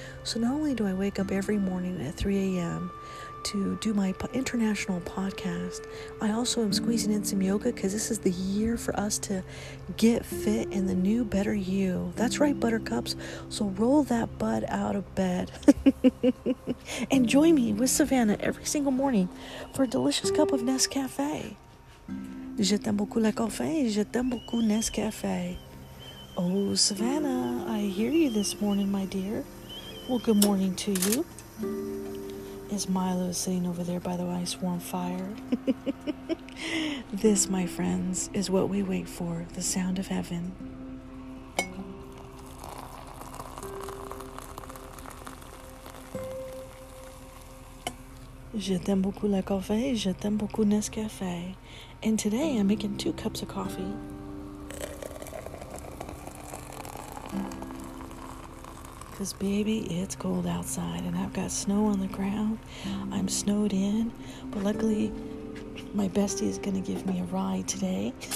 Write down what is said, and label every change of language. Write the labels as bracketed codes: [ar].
[en] So not only do I wake up every morning at 3 a.m. to do my international podcast, I also am squeezing in some yoga because this is the year for us to get fit in the new, better you. That's right, buttercups. So roll that butt out of bed and join me with Savannah every single morning for a delicious cup of Nescafe. [fr] Je t'aime beaucoup le café, je t'aime beaucoup Nescafe. [en] Oh, Savannah, I hear you this morning, my dear. Well, good morning to you. As Milo is sitting over there by the ice warm fire. This, my friends, is what we wait for, the sound of heaven. [fr] Je t'aime beaucoup le café, je t'aime beaucoup Nescafe. [en] And today I'm making two cups of coffee. Because, baby, it's cold outside and I've got snow on the ground. I'm snowed in. But luckily, my bestie is going to give me a ride today.